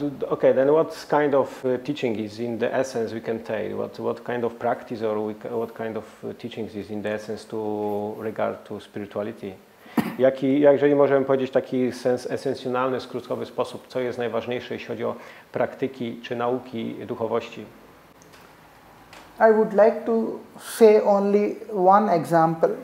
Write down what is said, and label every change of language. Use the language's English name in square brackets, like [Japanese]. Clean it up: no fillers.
[English] Okay, then what kind of teaching is in the essence we can take? What kind of practice or what kind of teachings is in the essence to regard to spirituality? [Polish] Jeżeli możemy powiedzieć taki sens esencjonalny, skrótkowy sposób, co jest najważniejsze, jeśli chodzi o praktyki czy nauki duchowości? [English] I would like to say only one example.